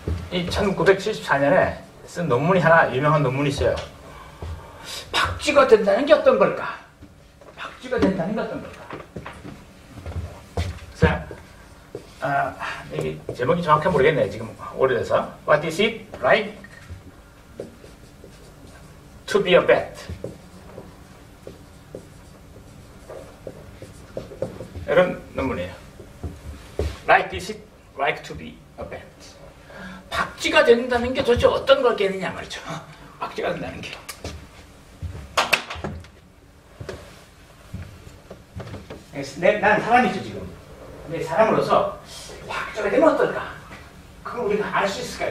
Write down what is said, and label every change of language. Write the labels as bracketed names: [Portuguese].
[Korean] 이 1974년에 쓴 논문이 하나, 유명한 논문이 있어요. 박쥐가 된다는 게 어떤 걸까? 박쥐가 된다는 게 어떤 걸까? 자, 이게 제목이 정확히 모르겠네, 지금 오래돼서. [English] What is it like to be a bat? [Korean] 이런 논문이에요. [English] Like is it like to be a bat? [Korean] 박쥐가 된다는 게 도대체 어떤 거겠느냐 말이죠. 박쥐가 된다는 게. 난 사람이죠, 지금. 근데 사람으로서 박쥐가 되면 어떨까? 그걸 우리가 알 수 있을까?